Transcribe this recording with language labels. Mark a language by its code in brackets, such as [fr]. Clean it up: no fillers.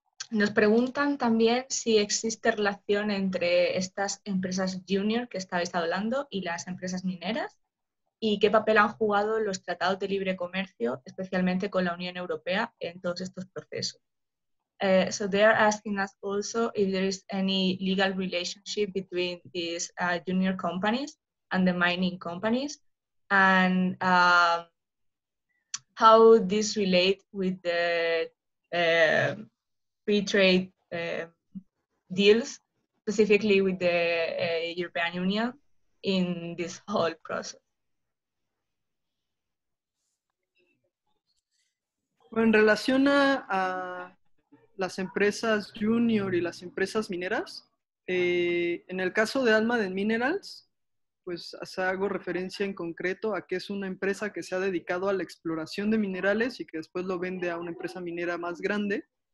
[es] Nos preguntan también si existe relación entre estas empresas junior que estabais hablando y las empresas mineras, y qué papel han jugado los tratados de libre comercio, especialmente con la Unión Europea, en todos estos procesos. [en] So they are asking us also if there is any legal relationship between these junior companies and the mining companies, and how this relate with the free trade deals, specifically with the European Union, in this whole process. [es] Bueno, en relación a las empresas junior y las empresas mineras, en el caso de Alma de Minerals, pues hago referencia en concreto a que es una empresa que se ha dedicado a la exploración de minerales y que después lo vende a una empresa minera más grande.